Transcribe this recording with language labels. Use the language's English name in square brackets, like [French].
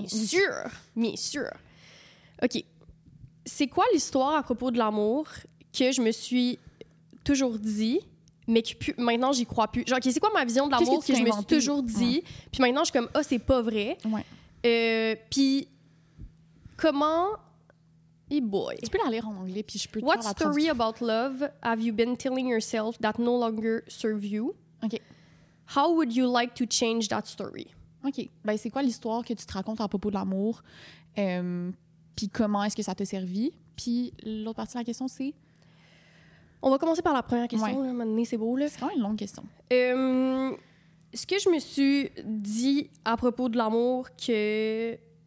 [French] Bien sûr, bien sûr. OK. C'est quoi l'histoire à propos de l'amour que je me suis toujours dit, mais que plus, maintenant, j'y crois plus? Genre, c'est quoi ma vision de l'amour que je me suis toujours dit, puis maintenant, je suis comme, ah, oh, c'est pas vrai. Puis, comment... [English] Hey boy. [French] Tu peux la lire en anglais, puis je peux te [English] What [French] faire la traduction. [English] What story about love have you been telling yourself that no longer serve you? [French] OK. [English] How would you like to change that story? [French] OK. Ben c'est quoi l'histoire que tu te racontes à propos de l'amour? Puis comment est-ce que ça t'a servi? Puis l'autre partie de la question, c'est... On va commencer par la première question. Ouais. Là, à un moment donné, c'est beau, là. C'est quand même une longue question. Ce que je me suis dit à propos de l'amour que...